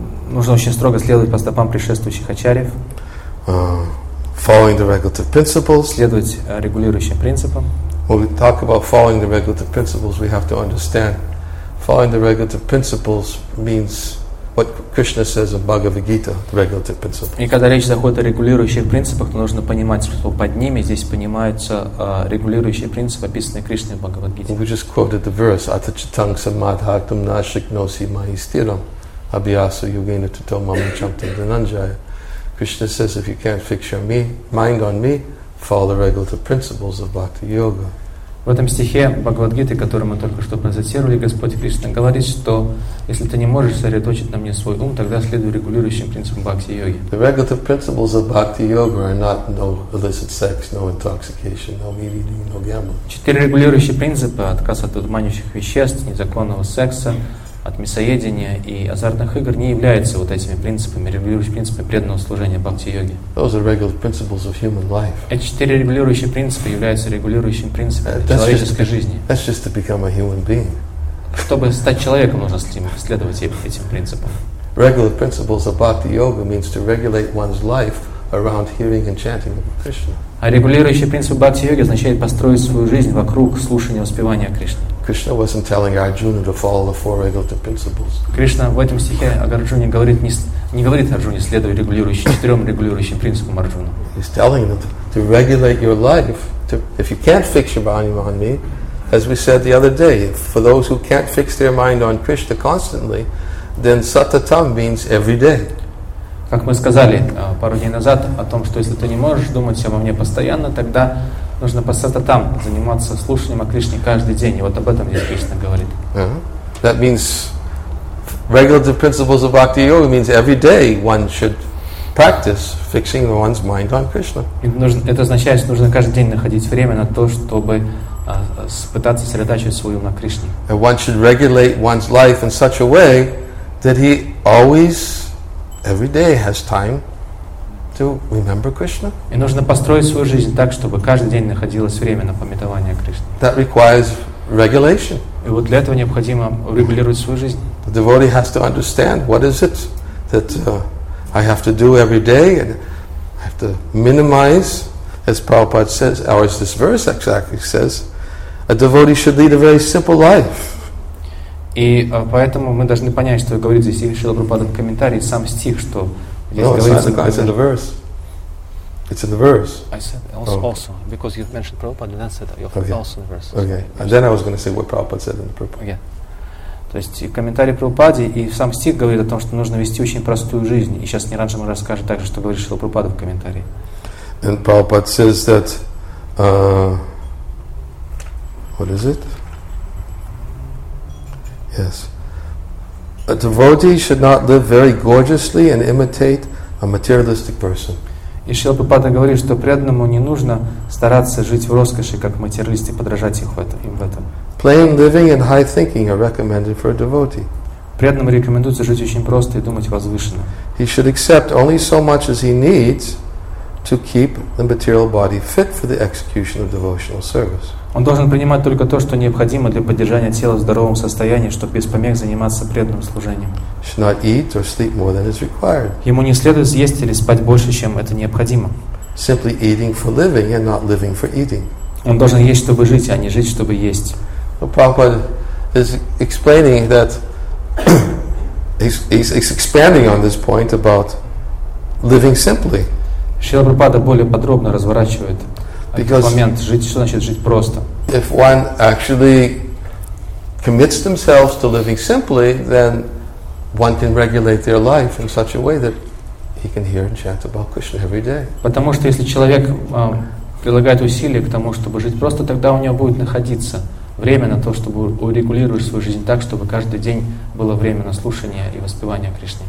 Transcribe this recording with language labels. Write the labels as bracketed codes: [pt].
[ru] Нужно очень строго следовать по стопам предшествующих ачарьев. [en] Following the regulative principles. [ru] Следовать регулирующим принципам. [en] When we talk about following the regulative principles, we have to understand. Following the regulative principles means what Krishna says in Bhagavad Gita, the regulative principle. [ru] И когда речь заходит о регулирующих принципах, то нужно понимать, что под ними здесь понимаются регулирующие принципы, описанные Кришной в Бхагавад Гите. [en] We just quoted the verse: [sa] "Ata chitang samadhaktam nashiknosi mahistiram abhyasa yogena tato mamachantam dhananjaya." [en] Krishna says, if you can't fix your mind on me, follow the regulative principles of Bhakti Yoga. [ru] В этом стихе Бхагавад-гиты, который мы только что процитировали, Господь Кришна говорит, что если ты не можешь сосредоточить на мне свой ум, тогда следуй регулирующим принципам Бхакти-йоги. [en] The regulative principles of Bhakti-йога are not no illicit sex, no intoxication, no meat eating, no gambling. [ru] Четыре регулирующие принципа: отказ от одурманивающих веществ, незаконного секса, от мясоедения и азартных игр не являются вот этими принципами, регулирующими принципами преданного служения Бхакти-йоги. [en] Those are regular principles of human life. [ru] Эти четыре регулирующие принципы являются регулирующими принципами человеческой жизни. [en] That's just to become a human being. [ru] Чтобы стать человеком, нужно следовать этим принципам. [en] Regular principles of Bhakti-yoga means to regulate one's life around hearing and chanting of Krishna. [ru] А регулирующий принцип Бхакти-йоги означает построить свою жизнь вокруг слушания и воспевания Кришны. [en] Krishna wasn't telling Arjuna to follow the four regulative principles. [ru] Кришна в этом стихе Арджуне не говорит Арджуне следовать четырем регулирующим принципам Арджуна. [en] He's telling him to regulate your life. If you can't fix your mind on me, as we said the other day, for those who can't fix their mind on Krishna constantly, then satatam means every day. [ru] Как мы сказали пару дней назад о том, что если ты не можешь думать обо мне постоянно, тогда нужно по сататам заниматься слушанием о Кришне каждый день. И вот об этом здесь Кришна говорит. Uh-huh. [en] That means regulative principles of Bhakti Yoga means every day one should practice fixing one's mind on Krishna. [ru] Это означает, что нужно каждый день находить время на то, чтобы пытаться сосредоточить свой ум на Кришне. [en] And one should regulate one's life in such a way that he always every day has time to remember Krishna. [ru] И нужно построить свою жизнь так, чтобы каждый день находилось время на памятование Кришны. [en] That requires regulation. [ru] И вот для этого необходимо регулировать свою жизнь. [en] The devotee has to understand what is it that I have to do every day, and I have to minimize, as Prabhupada says, or as this verse exactly says, a devotee should lead a very simple life. [ru] И поэтому мы должны понять, что говорит здесь Шрила Прабхупада в комментарии, сам стих, что здесь говорится. [en] It's in the verse. I said also, because you've mentioned Prabhupada, then I said also in the verse. Okay. And then I was going to say what Prabhupada said in the Prabhupada. Yeah. [ru] То есть комментарий Прабхупады и сам стих говорит о том, что нужно вести очень простую жизнь. И сейчас Ниранджа Махарадж расскажет также, что говорит Шрила Прабхупада в комментарии. [en] And Prabhupada says that what is it? Yes. A devotee should not live very gorgeously and imitate a materialistic person. [ru] И Шрила Прабхупада говорит, что преданному не нужно стараться жить в роскоши, как материалисты, подражать им в этом. [en] Plain living and high thinking are recommended for a devotee. [ru] Преданному рекомендуется жить очень просто и думать возвышенно. [en] He should accept only so much as he needs to keep the material body fit for the execution of devotional service. [ru] Он должен принимать только то, что необходимо для поддержания тела в здоровом состоянии, чтобы без помех заниматься преданным служением. [en] Should not eat or sleep more than is required. [ru] Ему не следует съесть или спать больше, чем это необходимо. [en] Simply eating for living and not living for eating. [ru] Он должен есть, чтобы жить, а не жить, чтобы есть. [en] Well, Prabhupada is explaining that he's expanding on this point about living simply. [ru] Шрила Прабхупада более подробно разворачивает этот момент, жить, что значит жить просто. [en] If one actually commits themselves to living simply, then one can regulate their life in such a way that he can hear and chant about Krishna every day. [ru] Потому что если человек прилагает усилия к тому, чтобы жить просто, тогда у него будет находиться время на то, чтобы урегулировать свою жизнь так, чтобы каждый день было время на слушание и воспевание Кришны.